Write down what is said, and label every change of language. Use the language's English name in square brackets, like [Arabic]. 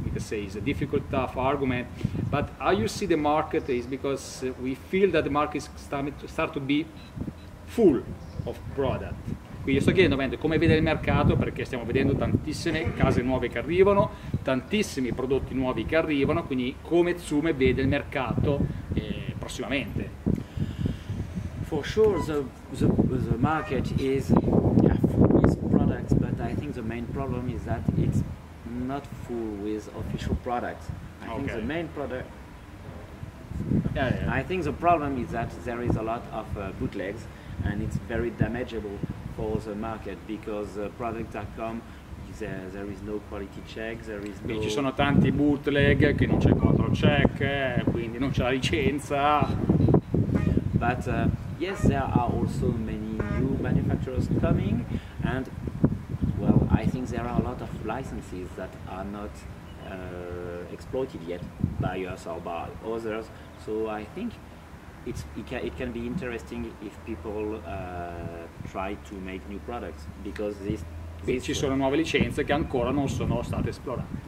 [English] it's a difficult, tough argument, but how you see the market is because we feel that the market is starting to be full of product. [Italian] Quindi sto chiedendo come vede il mercato, perché stiamo vedendo tantissime case nuove che arrivano, tantissimi prodotti nuovi che arrivano, quindi come Tsume vede il mercato prossimamente? [English] For sure, the market is full with products, but I think the main problem is that it's not full with official products. I think the main product. I think the problem is that there is a lot of bootlegs, and it's very damageable for the market because the products that come. There is no quality check, [Italian] ci sono tanti bootleg che non c'è [English] control check, [Italian] quindi non c'è la licenza. [English] But yes, there are also many new manufacturers coming, and well, I think there are a lot of licenses that are not exploited yet by us or by others. So I think it can be interesting if people try to make new products because this. [Italian] Quindi ci sono nuove licenze che ancora non sono state esplorate.